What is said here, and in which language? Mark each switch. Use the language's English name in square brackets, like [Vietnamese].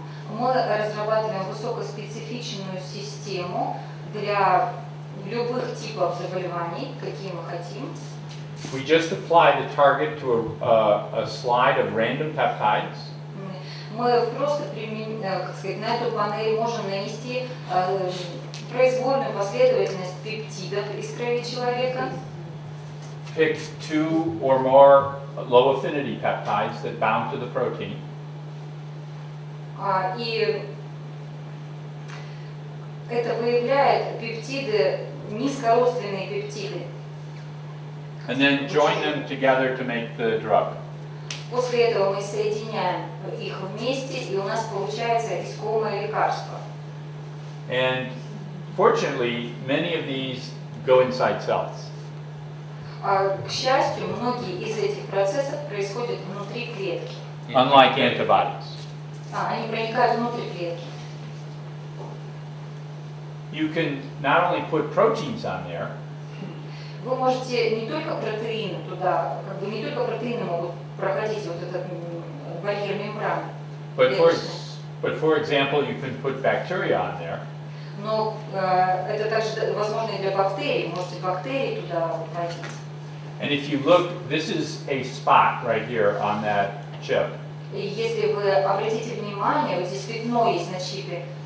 [Russian] Мы разрабатываем высокоспецифичную систему для любых типов заболеваний, какие мы хотим. [English] We just apply the target to a slide of random peptides. [Russian] Мы просто на эту панель можем нанести произвольную последовательность пептидов из крови человека. [English] Pick two or more low affinity peptides that bound to the protein. [Russian] И это выявляет пептиды, низкородственные пептиды. [English] And then join them together to make the drug. [Russian] После этого мы соединяем их вместе, и у нас получается искомое лекарство. [English] And fortunately, many of these go inside cells. [Russian] К счастью, многие из этих процессов происходят внутри клетки. [English] Unlike antibodies. [Russian] Они проникают внутрь клетки. [English] You can not only put proteins on there. [Russian] Вы можете не только протеины туда, как бы не только протеины могут проходить вот этот барьер мембраны. [English] But for example, you can put bacteria on there. [Russian] Но это также возможно и для бактерий. Можете бактерии туда проходить. [English] And if you look, this is a spot right here on that chip. [Russian] Если вы обратите внимание, вот здесь пятно есть на чипе.